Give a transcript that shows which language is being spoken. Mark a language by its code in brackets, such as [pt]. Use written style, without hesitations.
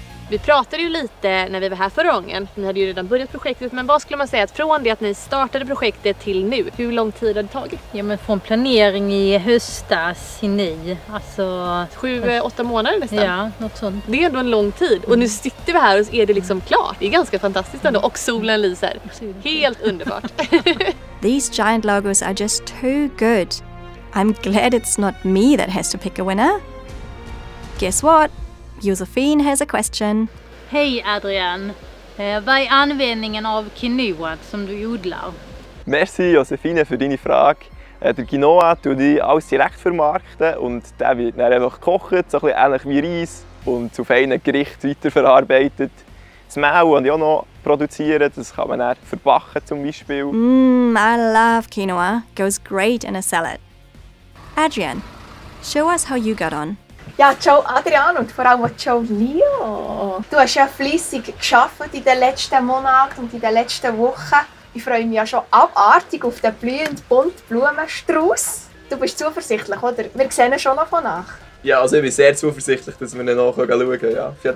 [sv] Vi pratade ju lite när vi var här förra gången. Ni hade ju redan börjat projektet, men vad skulle man säga att från det att ni startade projektet till nu, hur lång tid har det tagit? Ja, men från planering i höstas i ni, alltså... 7-8 månader nästan. Ja, något sånt. Det är ändå en lång tid. Mm. Och nu sitter vi här och är det liksom klart. Det är ganska fantastiskt ändå. Och solen lyser. Helt underbart. [en] These giant logos are just too good. I'm glad it's not me that has to pick a winner. Guess what? Josefine has a question. [sv] Hej Adrian, vad är användningen av quinoa som du odlar? Merci Josefine för din fråga. [de] Der quinoa tut die alles direkt vermarkten und der wird dann einfach gekocht, so ein bisschen ähnlich wie Reis und zu feinen Gerichten weiterverarbeitet. Das Mehl und auch noch produzieren, das kann man dann verbacken zum Beispiel. [en] Mmm, I love quinoa. Goes great in a salad. Adrian, show us how you got on. [de] Ja, ciao Adrian und vor allem ciao Leo. Du hast ja fleissig gearbeitet in den letzten Monaten und in den letzten Wochen. Ich freue mich ja schon abartig auf den blühend bunten Blumenstrauß. Du bist zuversichtlich, oder? Wir sehen ihn schon noch von nach. Ja, also ich bin sehr zuversichtlich, dass wir ihn noch schauen können. Ja, auf jeden